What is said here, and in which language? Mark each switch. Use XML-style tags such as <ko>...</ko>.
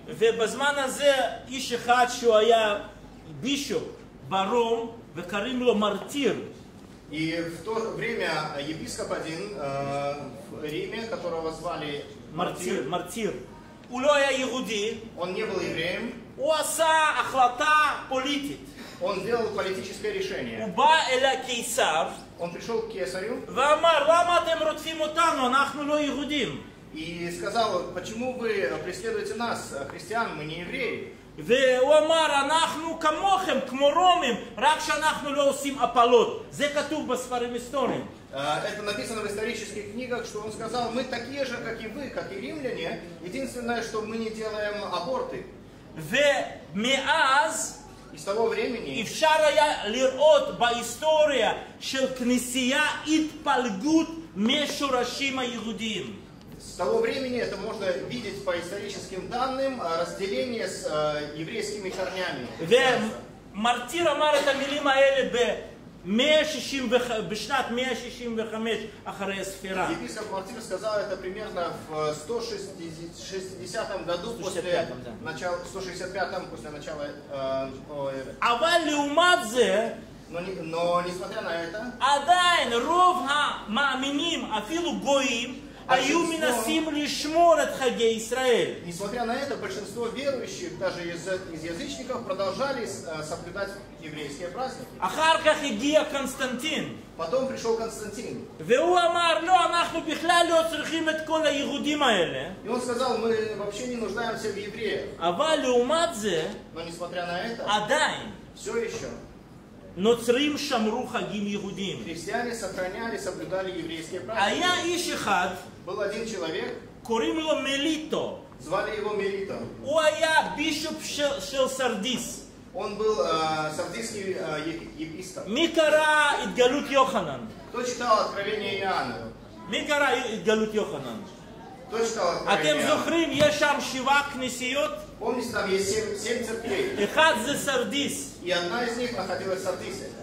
<he>ובזמן הזה איש אחד שהוא היה בישוב ברום וקוראים לו מרטיר.</he> <ru>И в то время епископ один в Риме, которого звали</ru> <he>מרטיר. מרטיר. הוא לא היה יהודי.</he> <ru>Он не был евреем.</ru> <he>הוא עשה החלטה פוליטית.</he> <ru>Он сделал политическое решение.</ru> <he>הוא בא אל הקיסר.</he> <ru>Он пришел к кесарю.</ru> <he>ואמר, למה אתם רודפים אותנו? אנחנו לא יהודים.</he> <ru>И сказал, почему вы преследуете нас, христиан, мы не евреи.</ru> <he>והוא אמר, אנחנו כמוכם, כמו רומים, רק שאנחנו לא עושים הפלות. זה כתוב בספרים היסטוריים.</he> <ru>Это написано в исторических книгах, что он сказал, мы такие же, как и вы, как и римляне, единственное, что мы не делаем аборты.</ru> <he>ומאז,</he> <ru>и с того времени,</ru> <he>אפשר היה לראות בהיסטוריה של כנסייה התפלגות משורשים היהודים.</he> <ru>С того времени это можно видеть по историческим данным разделение с еврейскими корнями.</ru> <he>Мартир אמר את המילים האלה בשנת 165 אחרי הספירה.</he> <ru>Епископ Мартир сказал это примерно в 160 году после начала</ru> <he>אבל לעומת זה,</he> <ru>но несмотря на это,</ru> <he>עדיין רוב המאמינים אפילו גויים היו מנסים לשמור את חגי ישראל.</he> <ru>Несмотря на это, большинство верующих, даже из язычников, продолжали соблюдать еврейские праздники.</ru> <he>אחר כך הגיע קונסטנטין.</he> <ru>Потом пришел Константин.</ru> <he>והוא אמר, לא, אנחנו בכלל לא צריכים את כל היהודים האלה.</he> <ru>И он сказал, мы вообще не нуждаемся в евреях.</ru> <he>אבל לעומת זה,</he> <ru>но несмотря на это,</ru> <he>עדיין,</he> <ru>все еще,</ru> <he>נוצרים שמרו חגים יהודים.</he> <ru>Христиане сохраняли, соблюдали еврейские праздники.</ru> <he>היה איש אחד,</he> <ru>был один человек,</ru> <he>קוראים לו מליטו.</he> <ru>Звали его Мелито.</ru> <he>הוא היה בישופ של סרדיס.</he> <ru>Он был сардийский епископ.</ru> <he>מי קרא התגלות יוחנן?</he> <ru>Кто читал Откровение Иоанна?</ru> <he>מי קרא התגלות יוחנן?</he> <ru>Кто читал Откровение Иоанна?</ru> <he>אתם זוכרים, יש שם שבעה כנסיות?</he> <ru>Помните, там есть семь церквей.</ru> <he>אחד זה סרדיס.</he> <ru>И одна из них находилась в Сардисе.</ru>